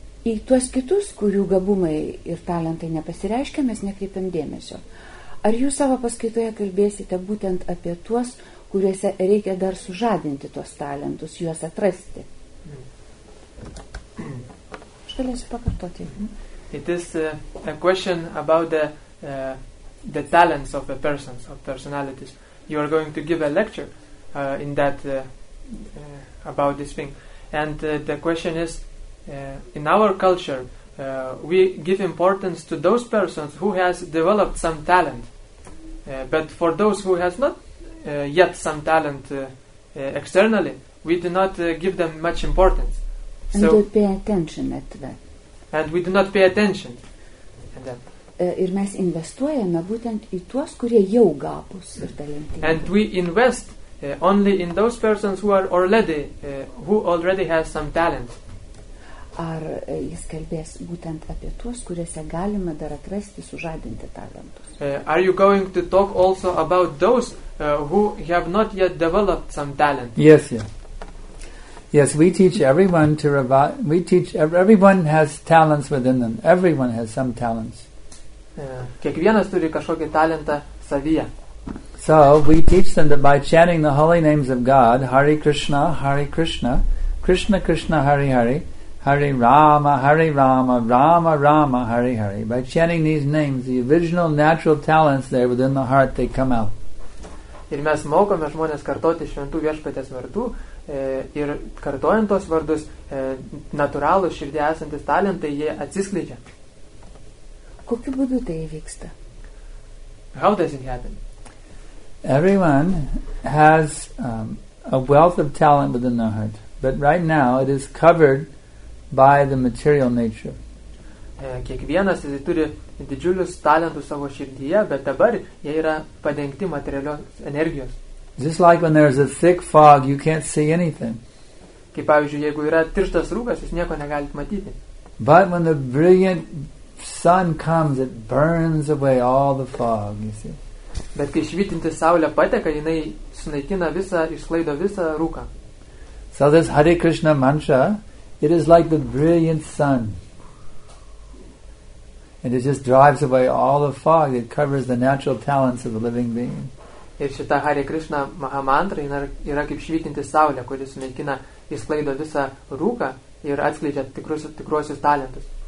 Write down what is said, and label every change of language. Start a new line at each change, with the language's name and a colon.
Lithuanian: Į tuos kitus, kurių gabumai ir talentai nepasireiškia, mes nekreipiam dėmesio. Ar jūs savo paskaitoje kalbėsite būtent apie tuos, kuriuose reikia dar sužadinti tuos talentus, juos atrasti? Aš galėsiu pakartoti.
English: It is a question about the talents of the persons, of personalities. You are going to give a lecture in that about this thing, and the question is, in our culture we give importance to those persons who has developed some talent, but for those who has not yet some talent externally, we do not give them much importance, so, and don't pay attention at that, and we do not pay attention at that.
Lithuanian: Ir mes investuojame būtent į tuos, kurie jau gabus ir talentingi.
English: And we invest only in those persons who already has some talent.
Lithuanian: Ar jis kalbės būtent apie tuos, kuriuose galima dar atrasti sužadinti talentus?
English: Are you going to talk also about those who have not yet developed some talent? Yes, yeah. Yes, we teach everyone to revive. We teach everyone has talents within them. Everyone has some talents.
Lithuanian: Kiekvienas turi kažkokį talentą savyje.
English: So we teach them that by chanting the holy names of God, Hare Krishna, Hare Krishna, Krishna Krishna, Hare Hare, Hare Rama, Hare Rama, Rama Rama, Hare Hare. By chanting these names, the original natural talents there within the heart, they come out.
Lithuanian: Ir mes mokome žmonės kartoti šventų viešpatės vardų, ir kartojant tos vardus, natūralus širdyje esantis talentai, jie atsiskleidžia. Kokiu būdu tai įvyksta?
English: How does it happen? Everyone has a wealth of talent within their heart. But right now it is covered by the material nature.
Lithuanian: Kiekvienas turi didžiulius talentus savo širdyje, bet dabar jie yra padengti materialios energijos.
English: Just like when there is a thick fog, you can't see anything.
Lithuanian: Kaip pavyzdžiui, jeigu yra tirštas rūkas, jūs nieko negalite matyti.
English: But when the brilliant sun comes, it burns away all the fog, you see.
Lithuanian: Bet kai švytinti saulė pateka, jinai sunaikina visą, išsklaido visą rūką.
English: So this Hare Krishna mantra, it is like the brilliant sun. And it just drives away all the fog that covers the natural talents of the living being.
Lithuanian: Ir šita Hare Krishna mahamantra yra kaip švytinti saulė, kuris sunaikina, išsklaido visą rūką ir atskleidžia tikruosius talentus.